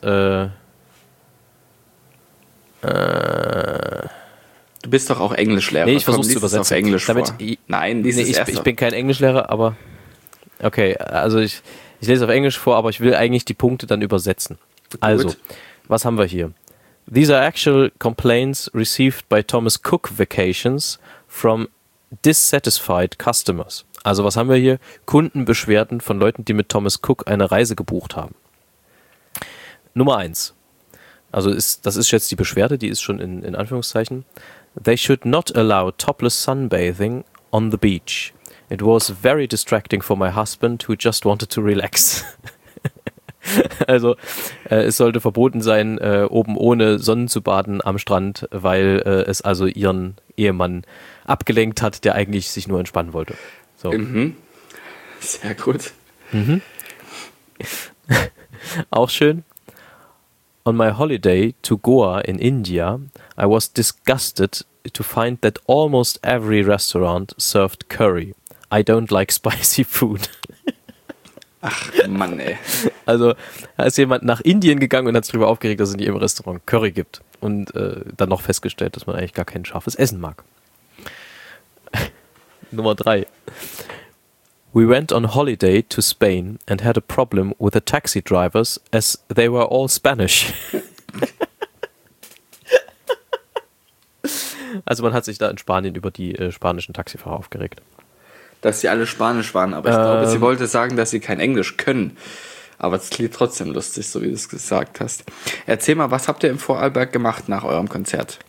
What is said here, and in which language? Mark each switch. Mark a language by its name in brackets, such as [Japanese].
[German] Du bist doch auch Englischlehrer. Nee, ich versuche es zu übersetzen. Auf Englisch damit, vor. Nein, lies nee, es erst. Ich bin kein Englischlehrer, aber. Okay, also ich lese es auf Englisch vor, aber ich will eigentlich die Punkte dann übersetzen. Gut. Also, was haben wir hier? [English] These are actual complaints received by Thomas Cook Vacations from dissatisfied customers. [German] Also was haben wir hier? Kundenbeschwerden von Leuten, die mit Thomas Cook eine Reise gebucht haben. Nummer 1. Also das ist jetzt die Beschwerde, die ist schon in Anführungszeichen. [English] They should not allow topless sunbathing on the beach. It was very distracting for my husband who just wanted to relax. [German] Also, es sollte verboten sein, oben ohne Sonne zu baden am Strand, weil es also ihren Ehemann abgelenkt hat, der eigentlich sich nur entspannen wollte. So. Mhm. Sehr gut. Mhm. Auch schön. [English] On my holiday to Goa in India, I was disgusted to find that almost every restaurant served curry. I don't like spicy food. [German] Ach Mann, ey. Also, da ist jemand nach Indien gegangen und hat sich darüber aufgeregt, dass es nicht im Restaurant Curry gibt. Und dann noch festgestellt, dass man eigentlich gar kein scharfes Essen mag. Nummer 3. [English] We went on holiday to Spain and had a problem with the taxi drivers as they were all Spanish. [German] Also man hat sich da in Spanien über die spanischen Taxifahrer aufgeregt. Dass sie alle Spanisch waren, aber ich glaube, sie wollte sagen, dass sie kein Englisch können. Aber es klingt trotzdem lustig, so wie du es gesagt hast. Erzähl mal, was habt ihr im Vorarlberg gemacht nach eurem Konzert?